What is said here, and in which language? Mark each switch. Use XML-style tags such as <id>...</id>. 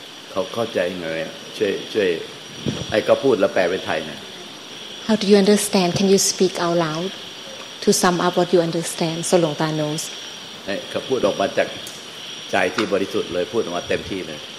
<th>เขาเข้าใจไงช่วยไอ้ก็พูดแล้วแปลเป็นไทยนะ</th> <en>How do you understand? Can you speak out loud to sum up what you understand? So Long Ta knows.</en> <th>เขาพูดออกมาจากใจที่บริสุทธิ์เลยพูดออกมาเต็มที่เลย</th>